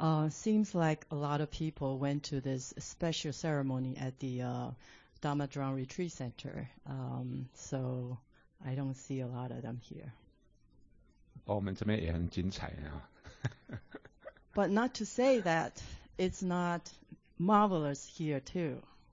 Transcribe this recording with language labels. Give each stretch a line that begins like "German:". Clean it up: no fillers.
English: Seems like a lot of people went to this special ceremony at the Dhammadron Retreat Center. So I don't see a lot of them here.
Chinese: 哦，我们这边也很精彩啊！
English: But not to say that it's not marvelous here too.